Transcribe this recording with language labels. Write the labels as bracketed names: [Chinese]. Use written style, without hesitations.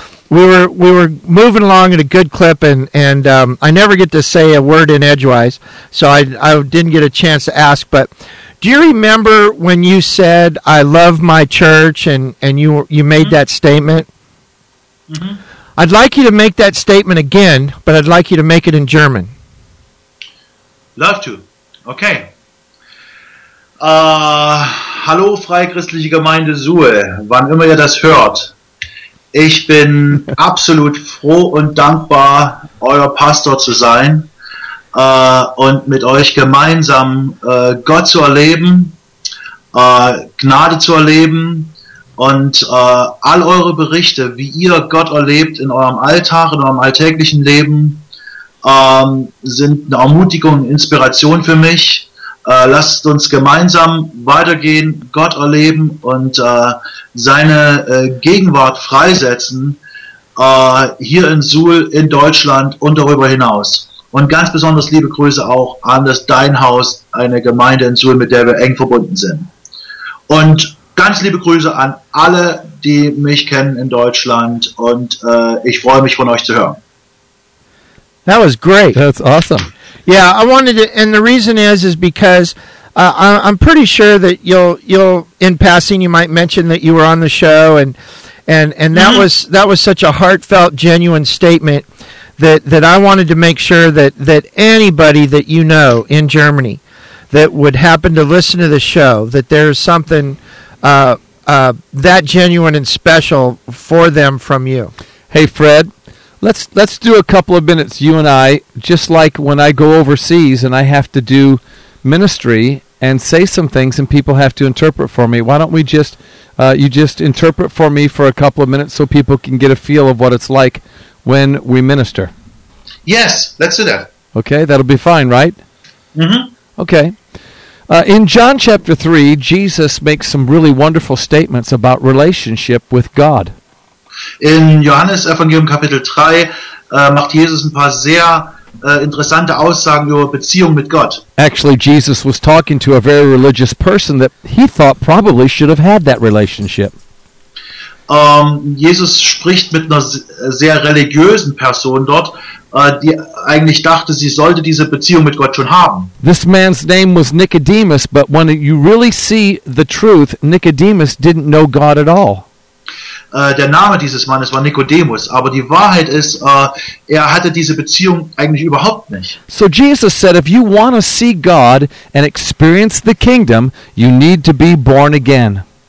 [English] We were moving along at a good clip, and I never get to say a word in edgewise, so I didn't get a chance to ask, but. Do you remember when you said, I love my church, and you made mm-hmm. that statement? Mm-hmm. I'd like you to make that statement again, but I'd like you to make it in German. Love to. Okay. [German] Hallo, Freikristliche Gemeinde Suhe, wann immer ihr das hört. Ich bin absolut froh und dankbar, euer Pastor zu sein. Und mit euch gemeinsam Gott zu erleben, Gnade zu erleben und all eure Berichte, wie ihr Gott erlebt in eurem Alltag, in eurem alltäglichen Leben, sind eine Ermutigung, Inspiration für mich. Lasst uns gemeinsam weitergehen, Gott erleben und seine Gegenwart freisetzen hier in Suhl, in Deutschland und darüber hinaus. Und ganz besonders liebe Grüße auch an das Deinhaus, eine Gemeinde in Suhl, mit der wir eng verbunden sind. Und ganz liebe Grüße an alle, die mich kennen in Deutschland. Und ich freue mich, von euch zu hören. [English] That was great. That's awesome. Yeah, I wanted to, and the reason is because I'm pretty sure that you'll in passing, you might mention that you were on the show, and that mm-hmm. was such a heartfelt, genuine statement. That I wanted to make sure that anybody that you know in Germany that would happen to listen to the show, that there's something that genuine and special for them from you. Hey, Fred, let's do a couple of minutes, you and I, just like when I go overseas and I have to do ministry and say some things and people have to interpret for me. Why don't we just, you just interpret for me for a couple of minutes so people can get a feel of what it's like when we minister. Yes, let's do that. Okay, that'll be fine, right? Mm-hmm. Okay. In John chapter 3, Jesus makes some really wonderful statements about relationship with God. [German] In Johannes Evangelium Kapitel 3 macht Jesus ein paar sehr interessante Aussagen über Beziehung mit Gott. [English] Actually, Jesus was talking to a very religious person that he thought probably should have had that relationship. [German] Jesus spricht mit einer sehr religiösen Person dort, die eigentlich dachte, sie sollte diese Beziehung mit Gott schon haben. [English] This man's name was Nicodemus, but when you really see the truth, Nicodemus didn't know God at all. [German] Der Name dieses Mannes war Nicodemus, aber die Wahrheit ist, er hatte diese Beziehung eigentlich überhaupt nicht. [English] So Jesus said, if you want to see God and experience the kingdom, you need to be born again.